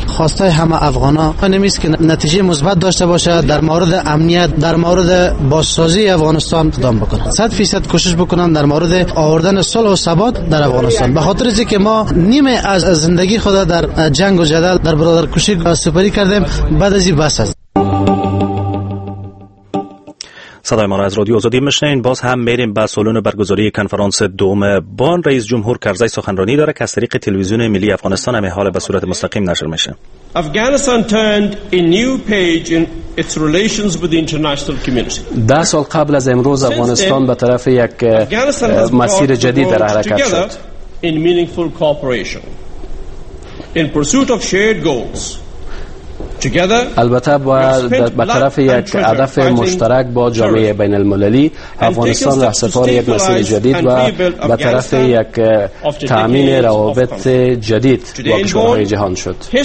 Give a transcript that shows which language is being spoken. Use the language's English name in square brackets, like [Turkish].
[Persian] خواسته همه افغانا نمیست که نتیجه مثبت داشته باشه، در مورد امنیت، در مورد بازسازی افغانستان اقدام بکنن، 100% کوشش بکنن در مورد آوردن صلح و ثبات در افغانستان، به خاطر اینکه ما نیمه از زندگی خود در جنگ و جدل، در برادرکشی سپری کردیم. بعد از این بس است. صدای ما را از رادیو آزادی میشنوین. باز هم میریم به سالن برگزاری کنفرانس دوم بن. رئیس جمهور کرزی سخنرانی داره که از طریق تلویزیون ملی افغانستان همه حال به صورت مستقیم نشر میشه. [English] Afghanistan turned a new page in its relations with the international community. [Persian] 10 سال قبل از امروز افغانستان به طرف یک مسیر جدید در حرکت شد. [English] In meaningful cooperation in pursuit of shared goals. [Persian] البته به طرف یک هدف مشترک با جامعه بین المللی، افغانستان رهسپار یک مسیر جدید و به طرف یک تأمین روابط جدید با کشورهای جهان شد.